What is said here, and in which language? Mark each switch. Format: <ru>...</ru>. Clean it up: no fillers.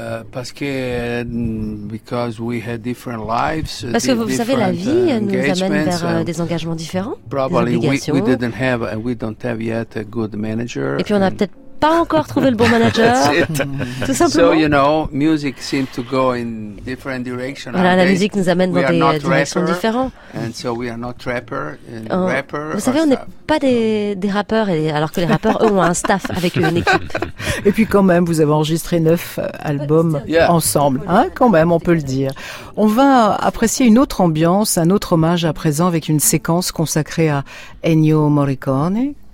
<fr>Parce que vous savez, la vie nous amène vers des engagements différents, des obligations. Et puis on n'a peut-être pas encore trouvé le bon manager. Tout simplement.</fr> <en>So, you know, music seems to go in different directions.</en> <fr>Voilà, la musique nous amène dans des directions différentes.</fr> <en>And so we are not rapper.</en> <fr>Vous savez, on n'est pas des rappeurs, alors que les rappeurs, eux, ont un staff avec une équipe. Et puis quand même, vous avez enregistré 9 albums ensemble. Hein, quand même, on peut le dire. On va apprécier une autre ambiance, un autre hommage à présent avec une séquence consacrée à Ennio Morricone.</fr>